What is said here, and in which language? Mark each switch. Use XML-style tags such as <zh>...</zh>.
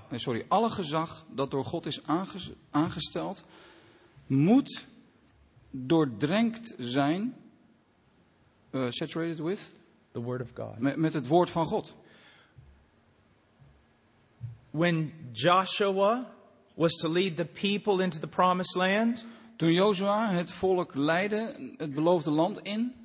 <nl>Nee, sorry, alle gezag dat door God is aangesteld moet doordrenkt zijn</nl> <en>saturated with the word of God.</en> <nl>Met het woord van God.</nl> <en>When Joshua was to lead the people into the promised land,</en> <nl>toen Joshua het volk leidde het beloofde land in.</nl>